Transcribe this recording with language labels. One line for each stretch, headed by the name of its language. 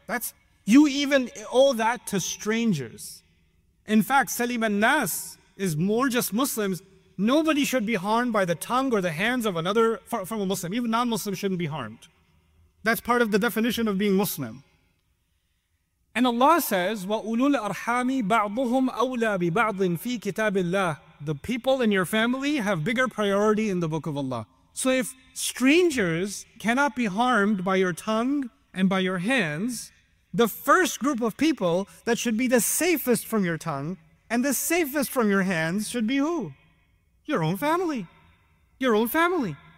English: That's, you even owe that to strangers. In fact, Salim al-Nas is more just Muslims. Nobody should be harmed by the tongue or the hands of another from a Muslim. Even non-Muslims shouldn't be harmed. That's part of the definition of being Muslim. And Allah says,
Arabic: وَأُولُو الْأَرْحَامِ بَعْضُهُمْ أَوْلَى بِبَعْضٍ فِي كِتَابِ اللَّهِ.
English: The people in your family have bigger priority in the book of Allah. So if strangers cannot be harmed by your tongue and by your hands, the first group of people that should be the safest from your tongue and the safest from your hands should be who? Your own family. Your own family.